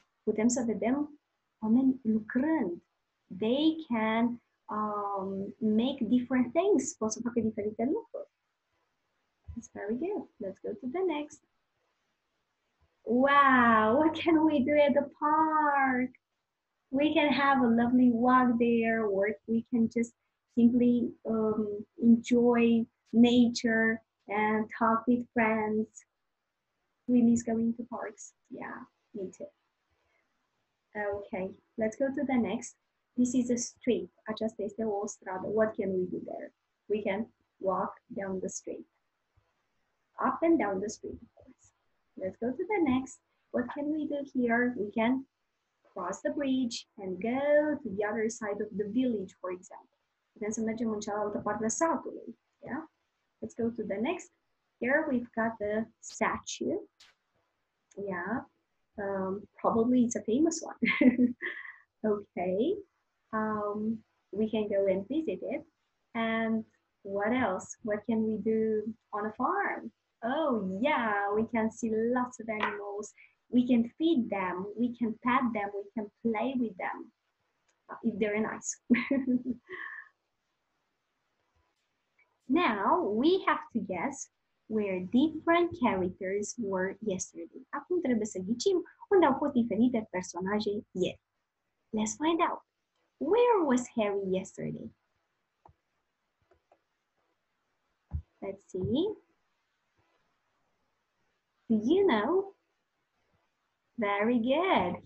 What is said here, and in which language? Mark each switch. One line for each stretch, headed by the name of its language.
Romanian: Putem să vedem oameni lucrând.
English: They can make different things.
Romanian: Pot să facă diferite lucruri.
English: That's very good. Let's go to the next. Wow, what can we do at the park? We can have a lovely walk there, or we can just simply enjoy nature and talk with friends. We miss going to parks. Yeah, me too. Okay, let's go to the next. This is a street.
Romanian: Aceasta este o stradă.
English: What can we do there? We can walk down the street. Up and down the street, of course. Let's go to the next. What can we do here? We can cross the bridge and go to the other side of the village, for example.
Romanian: Putem să mergem în cealaltă parte a satului.
English: Yeah? Let's go to the next. Here we've got the statue. Yeah. Probably it's a famous one. Okay. We can go and visit it. And what else? What can we do on a farm? Oh, yeah. We can see lots of animals. We can feed them, we can pet them, we can play with them, if they're nice. Now, we have to guess where different characters were yesterday.
Romanian: Acum trebuie să ghicim unde au fost diferite personaje ieri.
English: Let's find out. Where was Harry yesterday? Let's see. Do you know? Very good.